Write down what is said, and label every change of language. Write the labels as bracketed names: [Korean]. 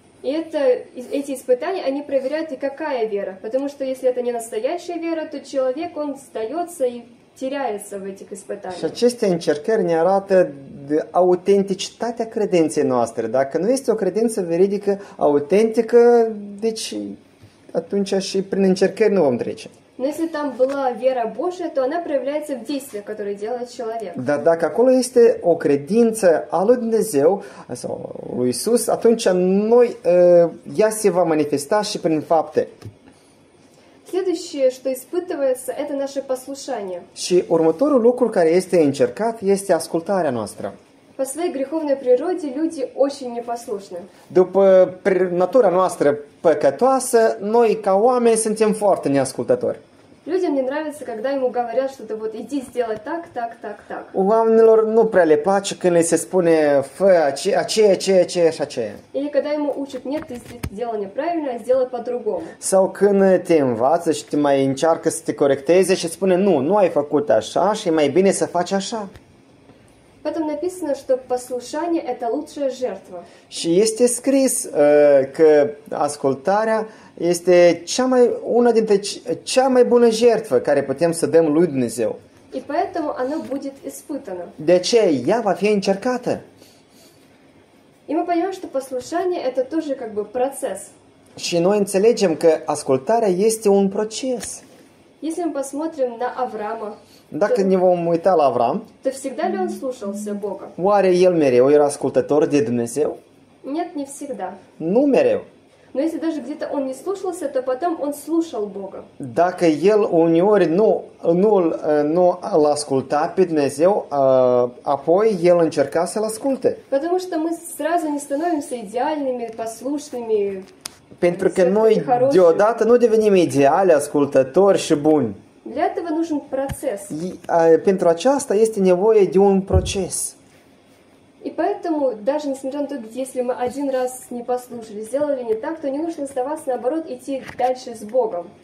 [Russian] И это эти испытания, они проверяют, и какая вера, потому что если это не настоящая вера, то человек он сдаётся и теряется в этих испытаниях. [Romanian] Și aceste încercări ne arată autenticitatea credinței noastre. Dacă nu este o credință veridică, autentică, deci atunci și prin încercări nu vom trece. [Russian] Но если там была вера Божия, то она проявляется в действиях, которые делает человек. [Romanian] Да, да, acolo este o credință a lui Dumnezeu, sau lui Isus, atunci noi, ea se va manifesta și prin fapte. [Russian] Следующее, что испытывается, это наше послушание. [Romanian] Și următorul lucru care este încercat este ascultarea noastră. [Russian] По своей греховной природе люди очень непослушны. [Romanian] După natura noastră păcătoasă, noi ca oameni suntem foarte neascultători. [Russian] Людям не нравится, когда ему говорят что-то вот иди сделай так, так, так, так. [Romanian] Oamenilor nu prea le place când le se spune fă aceea, aceea, aceea și aceea. [Russian] Или когда ему учат нет, ты сделал неправильно, сделай по-другому. [Romanian] Sau când te învață și te mai încearcă să te corecteze și spune nu, nu ai făcut așa și e mai bine să faci așa. [Russian] Потом написано, что послушание – это лучшая жертва. [Romanian] Și este scris că ascultarea este cea mai una dintre cea mai bună jertfă care putem să dăm lui Dumnezeu. [Russian] И поэтому она будет испытана. [Romanian] De ce? Ea va fi încercată. [Russian] И мы понимаем, что послушание – это тоже как бы процесс. [Romanian] Și noi înțelegem că ascultarea este un proces. [Russian] Если мы посмотрим на Авраама, [Romanian] dacă ne vom uita la Avram, [Russian] то всегда ли он слушался Бога? [Romanian] Oare el mereu era ascultător de Dumnezeu? [Russian] Нет, не всегда. [Romanian] Nu mereu. [Russian] Но если даже где-то он не слушался, то потом он слушал Бога. [Romanian] Dacă el uneori nu l-asculta pe Dumnezeu, apoi el încerca să-l asculte. [Russian] Потому что мы сразу не становимся идеальными, послушными. [Romanian] Pentru că noi deodată nu devenim ideali, ascultători și buni. [Russian] Для этого нужен процесс. [Romanian] Pentru aceasta este nevoie de un proces. [Russian] И поэтому, даже несмотря на то, если мы один раз не послушали, сделали не так, то не нужно оставаться, наоборот, идти дальше с Богом.